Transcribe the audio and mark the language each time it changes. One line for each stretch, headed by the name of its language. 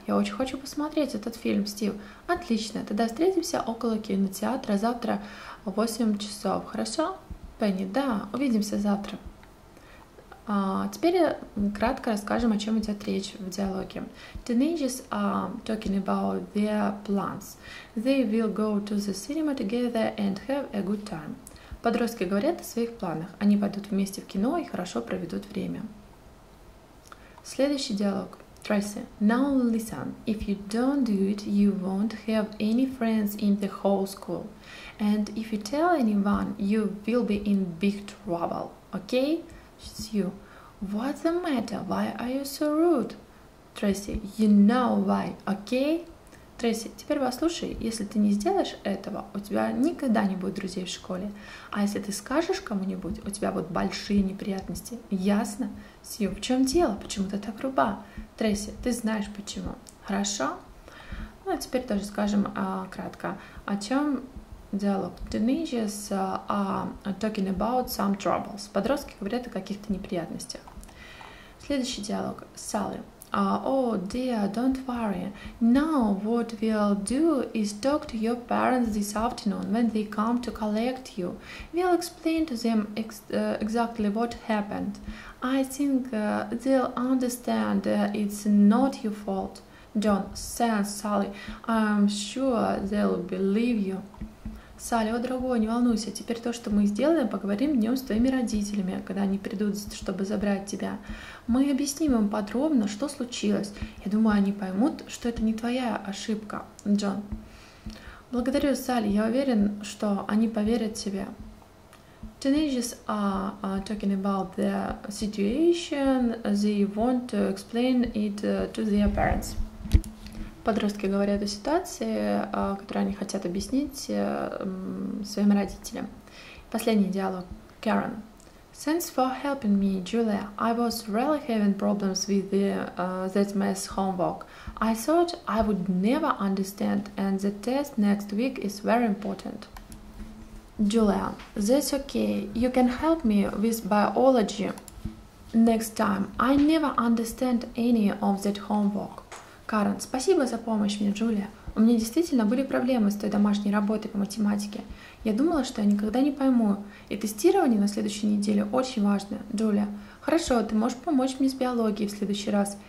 Russian: Я очень хочу посмотреть этот фильм, Стив. Отлично. Тогда встретимся около кинотеатра завтра в 8 часов. Хорошо? Пенни, да. Увидимся завтра. Теперь кратко расскажем, о чем идет речь в диалоге.
English: Teenagers are talking about their plans. They will go to the cinema together and have a good time.
Russian: Подростки говорят о своих планах. Они пойдут вместе в кино и хорошо проведут время. Следующий диалог. Tracy.
English: Now listen. If you don't do it, you won't have any friends in the whole school. And if you tell anyone, you will be in big trouble. Okay? Sue, what's the matter? Why are you so rude? Tracy, you know why, okay?
Russian: Tracy, теперь послушай, если ты не сделаешь этого, у тебя никогда не будет друзей в школе. А если ты скажешь кому-нибудь, у тебя будут большие неприятности. Ясно? Sue, в чем дело? Почему ты так груба? Tracy, ты знаешь почему. Хорошо? Ну, а теперь тоже скажем кратко. О чем... Диалог.
English: Teenagers are talking about some troubles.
Russian: Подростки говорят о каких-то неприятностях. Следующий диалог.
English: Sally. Oh dear, don't worry. Now what we'll do is talk to your parents this afternoon when they come to collect you. We'll explain to them exactly what happened. I think they'll understand it's not your fault. Don't say, Sally. I'm sure they'll believe you.
Russian: Салли, о, дорогой, не волнуйся, теперь то, что мы сделаем, поговорим днем с твоими родителями, когда они придут, чтобы забрать тебя. Мы объясним им подробно, что случилось. Я думаю, они поймут, что это не твоя ошибка, Джон. Благодарю, Салли, я уверен, что они поверят тебе.
English: Teenagers are talking about the situation. They want to explain it to their parents.
Russian: Подростки говорят о ситуации, которую они хотят объяснить своим родителям. Последний диалог. Karen.
English: Thanks for helping me, Julia. I was really having problems with that math homework. I thought I would never understand, and the test next week is very important. Julia. That's okay. You can help me with biology next time. I never understand any of that homework.
Russian: Карен, спасибо за помощь мне, Джулия. У меня действительно были проблемы с той домашней работой по математике. Я думала, что я никогда не пойму. И тестирование на следующей неделе очень важно. Джулия, хорошо, ты можешь помочь мне с биологией в следующий раз.